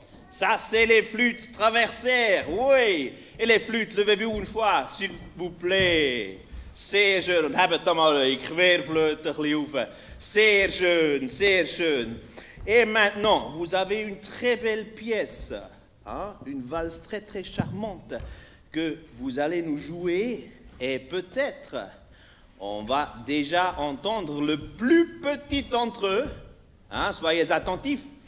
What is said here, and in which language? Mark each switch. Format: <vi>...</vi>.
<fr>Ça, c'est les flûtes traversières, oui! Et les flûtes, levez-vous une fois, s'il vous plaît!</fr> <de>Sehr schön! Und habt da mal die Querflöte ein bisschen auf. Sehr schön, sehr schön!</de> <fr>Et maintenant, vous avez une très belle pièce, hein? Une valse très très charmante que vous allez nous jouer. Et peut-être, on va déjà entendre le plus petit entre eux. Hein? Soyez attentifs.</fr>